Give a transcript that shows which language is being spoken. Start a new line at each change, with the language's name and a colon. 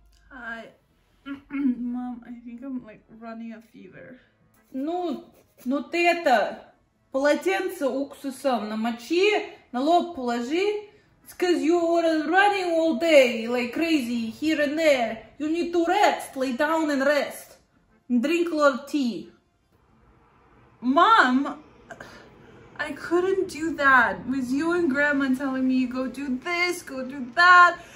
English: Hi. Mom, I think I'm like running a fever.
Russian: Ну, ну ты это, полотенце уксусом намочи, на лоб положи.
English: It's cause you're running all day, like crazy, here and there. You need to rest, lay down and rest. And drink a lot of tea. Mom, I couldn't do that. With you and grandma telling me go do this, go do that.